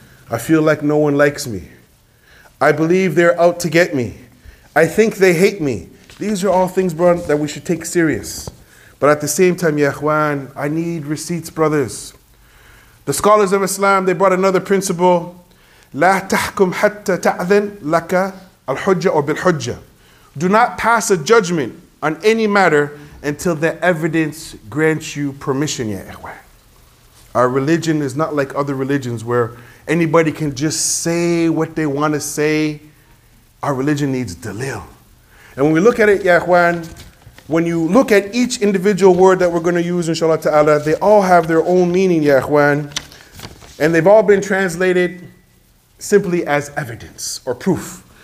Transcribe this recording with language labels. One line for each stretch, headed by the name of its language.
English: I feel like no one likes me. I believe they're out to get me. I think they hate me. These are all things, bro, that we should take serious. But at the same time, Ya Ikhwan, I need receipts, brothers. The scholars of Islam, they brought another principle.
Arabic: لا تحكم حتى تأذن لك الحجة أو بالحجة.
English: Do not pass a judgment on any matter until the evidence grants you permission, Ya Ikhwan. Our religion is not like other religions where anybody can just say what they want to say. Our religion needs dalil. And when we look at it, Ya Ikhwan, when you look at each individual word that we're going to use, inshallah ta'ala, they all have their own meaning, Ya Ikhwan, and they've all been translated simply as evidence or proof.